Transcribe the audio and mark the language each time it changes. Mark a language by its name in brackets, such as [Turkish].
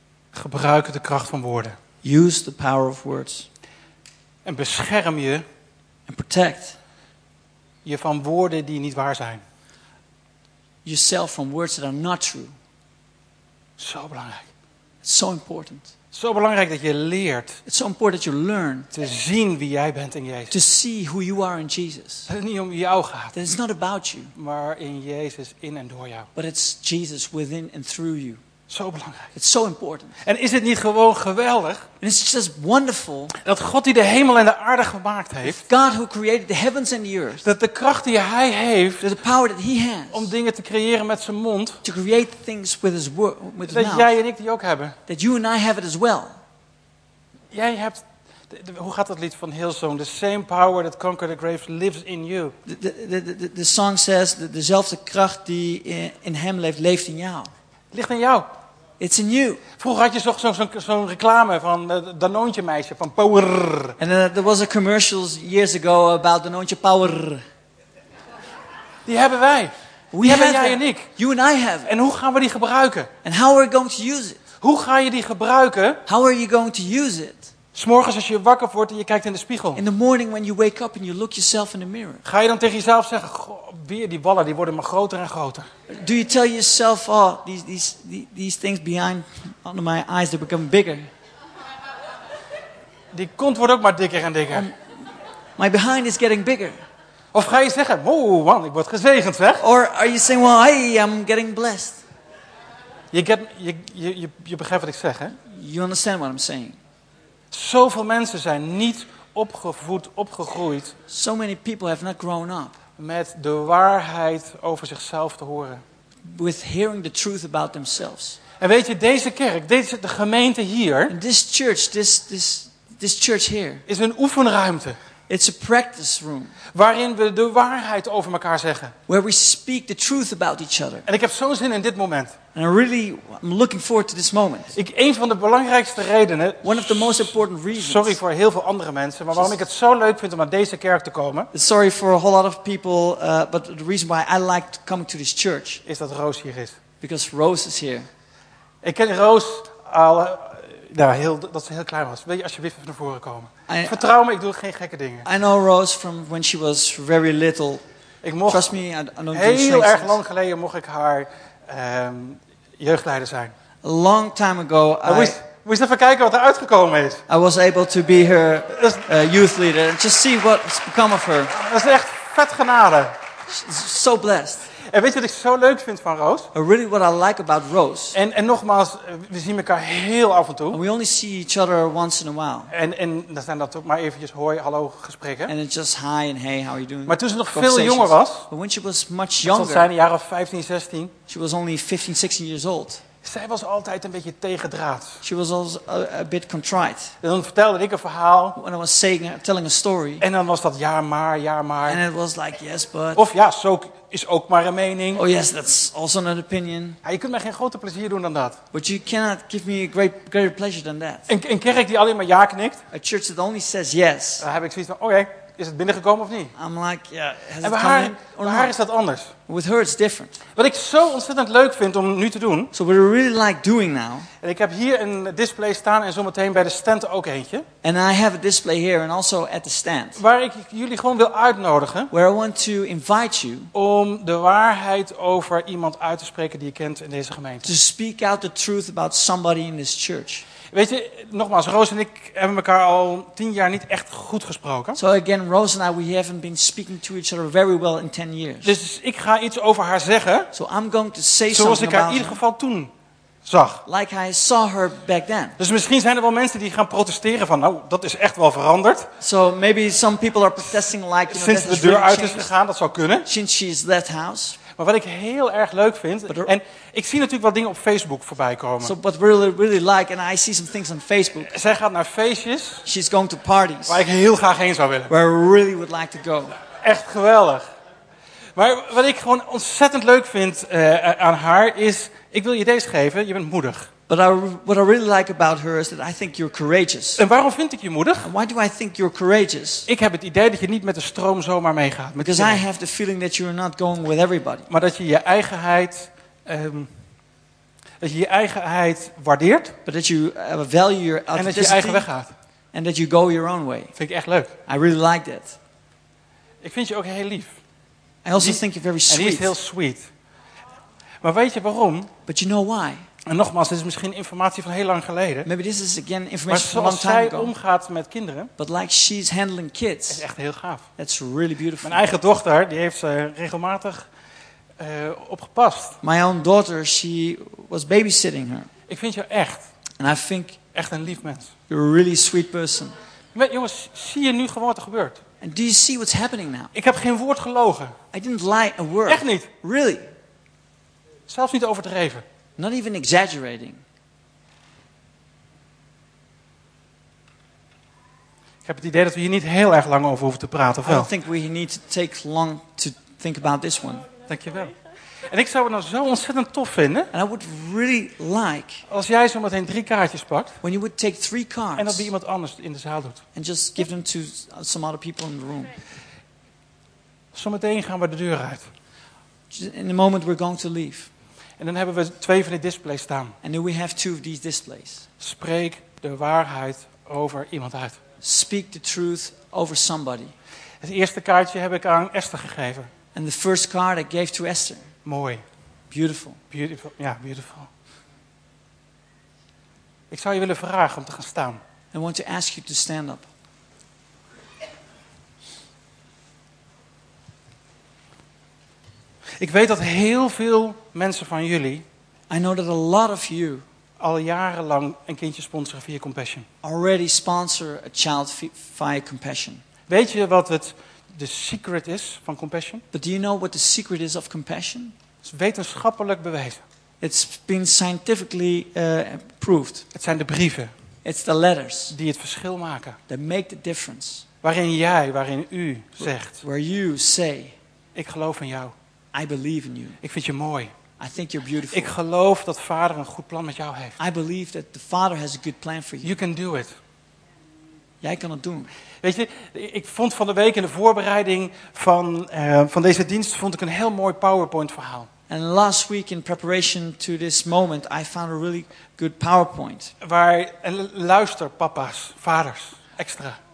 [Dutch] Gebruik de kracht van woorden. [English] Use the power of words. [Dutch] En bescherm je. [English] And protect. [Dutch] Je van woorden die niet waar zijn. [English] Yourself from words that are not true. [Dutch] Zo belangrijk. [English] So important. [Dutch] Zo belangrijk dat je leert. [English] It's so important that you learn. [Dutch] Te zien wie jij bent in Jezus. [English] To see who you are in Jesus. [Dutch] Dat het niet om jou gaat. [English] That it's not about you. [Dutch] Maar in Jezus in en door jou. [English] But it's Jesus within and through you. [Dutch] Zo belangrijk. [English] It's so important. [Dutch] En is het niet gewoon geweldig? [English] And it's just wonderful. [Dutch] Dat God die de hemel en de aarde gemaakt heeft. [English] God who created the heavens and the earth. [Dutch] Dat de kracht die hij heeft. [English] The power that he has. [Dutch] Om dingen te creëren met zijn mond. [English] To create things with his mouth. [Dutch] Dat jij en ik die ook hebben. [English] That you and I have it as well. [Dutch] Jij hebt. Hoe gaat dat lied van Hillsong? [English] The same power that conquered the grave lives in you. The song says that [Dutch] dezelfde kracht die in hem leeft, leeft in jou. Ligt in jou. [English] It's in you. [Dutch] Vroeger had je zo'n reclame van Danoontje meisje van Power. [English] And there was a commercials years ago about Danoontje Power. [Dutch] Die hebben wij. Die hebben jij en ik. [English] You and I have. [Dutch] En hoe gaan we die gebruiken? [English] And how are we going to use it? [Dutch] Hoe ga je die gebruiken? [English] How are you going to use it? [Dutch] 'S Morgens als je wakker wordt en je kijkt in de spiegel. [English] In the morning when you wake up and you look yourself in the mirror. [Dutch] Ga je dan tegen jezelf zeggen: "Goh, weer die ballen, die worden maar groter en groter." [English] Do you tell yourself, "Oh, these things behind under my eyes they become bigger." [Dutch] Die kont wordt ook maar dikker en dikker. [English] My behind is getting bigger. [Dutch] Of ga je zeggen: "Wow, man, ik word gezegend, zeg." [English] Or are you saying, "Well, I am getting blessed." [Dutch] Je begrijpt wat ik zeg, hè? [English] You understand what I'm saying? [Dutch] Zoveel mensen zijn niet opgevoed, opgegroeid. [English] So many people have not grown up. [Dutch] Met de waarheid over zichzelf te horen. [English] With hearing the truth about themselves. [Dutch] En weet je, deze kerk, de gemeente hier. [English] And this church, this church here. [Dutch] Is een oefenruimte. [English] It's a practice room. [Dutch] Waarin we de waarheid over elkaar zeggen. [English] Where we speak the truth about each other. [Dutch] En ik heb zo'n zin in dit moment. [English] And I'm looking forward to this moment. [Dutch] Een van de belangrijkste redenen. [English] One of the most important reasons. [Dutch] Sorry voor heel veel andere mensen, maar waarom ik het zo leuk vind om naar deze kerk te komen. [English] Sorry for a whole lot of people, but the reason why I like coming to this church. [Dutch] Is dat Roos hier is. [English] Because Roos is here. [Dutch] Ik ken Roos al. Dat ze heel klein was. Weet je, alsjeblieft even naar voren komen. Vertrouw me, ik doe geen gekke dingen. [English] I know Rose from when she was very little. [Dutch] Ik mocht, [English] trust me, I don't [Dutch] heel erg lang geleden mocht ik haar jeugdleider zijn. [English] A long time ago, [Dutch] moest even kijken wat er uitgekomen is. [English] I was able to be her youth leader and just see what's become of her. [Dutch] Dat is echt vet genade. [English] So blessed. [Dutch] En weet je wat ik zo leuk vind van Roos? [English] Really what I like about Roos. [Dutch] En nogmaals, we zien elkaar heel af en toe. [English] And we only see each other once in a while. [Dutch] En dan zijn dat ook maar eventjes hoi, hallo gesprekken. [English] And it's just hi and hey, how are you doing? [Dutch] Maar toen ze nog veel jonger was. [English] But when she was much younger. [Dutch] Ze zijn een jaar of 15, 16. [English] She was only 15, 16 years old. [Dutch] Zij was altijd een beetje tegendraad. [English] She was always a bit contrite. [Dutch] En dan vertelde ik een verhaal. [English] When I was saying, telling a story. [Dutch] En dan was dat ja maar. [English] And it was like yes but. [Dutch] Of ja, zo is ook maar een mening. [English] Oh yes, that's also an opinion. [Dutch] Ja, je kunt mij geen groter plezier doen dan dat. [English] But you cannot give me a greater pleasure than that. [Dutch] Een kerk die alleen maar ja knikt. [English] A church that only says yes. [Dutch] Dan heb ik zoiets van, oké, is het binnengekomen of niet? [English] I'm like, yeah. Has [Dutch] en bij haar, is dat anders. [English] With her it's different. [Dutch] Wat ik zo ontzettend leuk vind om nu te doen. [English] So what I really like doing now. [Dutch] En ik heb hier een display staan en zometeen bij de stand ook eentje. [English] And I have a display here and also at the stand. [Dutch] Waar ik jullie gewoon wil uitnodigen. [English] Where I want to invite you. [Dutch] Om de waarheid over iemand uit te spreken die je kent in deze gemeente. [English] To speak out the truth about somebody in this church. [Dutch] Weet je, nogmaals, Roos en ik hebben elkaar al 10 jaar niet echt goed gesproken. [English] So again, Roos and I, we haven't been speaking to each other very well in 10 years. [Dutch] Dus ik ga iets over haar zeggen. [English] So I'm going to say [Dutch] zoals [English] something [Dutch] ik haar [English] about [Dutch] in ieder geval toen zag. [English] Like I saw her back then. [Dutch] Dus misschien zijn er wel mensen die gaan protesteren van, nou, dat is echt wel veranderd. [English] So maybe some people are protesting like, you know, [Dutch] sinds [English] that [Dutch] de deur [English] really [Dutch] uit [English] changed. [Dutch] Is gegaan, dat zou kunnen. [English] Since she's left house. [Dutch] Maar wat ik heel erg leuk vind, en ik zie natuurlijk wel dingen op Facebook voorbij komen. [English] So what really really like, and I see some things on Facebook. [Dutch] Zij gaat naar feestjes. [English] She's going to parties. [Dutch] Waar ik heel graag heen zou willen. [English] Where I really would like to go. [Dutch] Echt geweldig. Maar wat ik gewoon ontzettend leuk vind aan haar is, ik wil je deze geven. Je bent moedig. [English] But what I really like about her is that I think you're courageous. [Dutch] En waarom vind ik je moedig? [English] And why do I think you're courageous? [Dutch] Ik heb het idee dat je niet met de stroom zomaar meegaat. [English] Because I have the feeling that you're not going with everybody. [Dutch] Maar dat je je eigenheid Dat je je eigenheid waardeert. [English] But that you value your [Dutch] en dat je je eigen weg gaat. [English] And that you go your own way. [Dutch] Vind ik echt leuk. [English] I really like that. [Dutch] Ik vind je ook heel lief. [English] I also think you're very sweet. [Dutch] En die is heel sweet. Maar weet je waarom? [English] But you know why? [Dutch] En nogmaals, dit is misschien informatie van heel lang geleden. [English] Maybe this is again information from a long time ago. [Dutch] Maar zoals zij omgaat met kinderen. [English] But like she's handling kids. [Dutch] Is echt heel gaaf. [English] That's really beautiful. [Dutch] Mijn eigen dochter, die heeft ze regelmatig opgepast. [English] My own daughter, she was babysitting her. [Dutch] Ik vind jou echt. [English] And I think [Dutch] echt een lief mens. [English] You're a really sweet person. [Dutch] Maar jongens, zie je nu gewoon wat er gebeurt? [English] And do you see what's happening now? [Dutch] Ik heb geen woord gelogen. [English] I didn't lie a word. [Dutch] Echt niet. [English] Really. [Dutch] Zelfs niet overdreven. [English] Not even exaggerating. [Dutch] Ik heb het idee dat we hier niet heel erg lang over hoeven te praten, of wel? [English] I don't think we need to take long to think about this one. [Dutch] Dank je wel. En ik zou het nou zo ontzettend tof vinden. [English] And I would really like. [Dutch] Als jij zo meteen drie kaartjes pakt. [English] When you would take three cards. [Dutch] En dat bij iemand anders in de zaal doet. [English] And just give them to some other people in the room. [Dutch] Zometeen gaan we de deur uit. [English] In a moment we're going to leave. [Dutch] En dan hebben we twee van die displays staan. [English] And then we have two of these displays. [Dutch] Spreek de waarheid over iemand uit. [English] Speak the truth over somebody. [Dutch] Het eerste kaartje heb ik aan Esther gegeven. [English] And the first card I gave to Esther. [Dutch] Mooi. [English] Beautiful. Beautiful. Ja, beautiful. [Dutch] Ik zou je willen vragen om te gaan staan. [English] I want to ask you to stand up. [Dutch] Ik weet dat heel veel mensen van jullie. [English] I know that a lot of you. [Dutch] Al jarenlang een kindje sponsoren via Compassion. [English] Already sponsor a child via Compassion. [Dutch] Weet je wat het de secret is van Compassion? [English] But do you know what the secret is of Compassion? [Dutch] Het is wetenschappelijk bewezen. [English] It's been scientifically proved. [Dutch] Het zijn de brieven. [English] It's the letters. [Dutch] Die het verschil maken. [English] That make the difference. [Dutch] Waarin jij, waarin u zegt. [English] Where you say. [Dutch] Ik geloof in jou. [English] I believe in you. [Dutch] Ik vind je mooi. [English] I think you're beautiful. [Dutch] Ik geloof dat Vader een goed plan met jou heeft. [English] I believe that the Father has a good plan for you. You can do it. [Dutch] Jij kan het doen. Weet je, ik vond van de week in de voorbereiding van deze dienst vond ik een heel mooi PowerPoint verhaal. [English] And last week in preparation to this moment I found a really good PowerPoint. [Dutch] Waar luister papa's, vaders extra.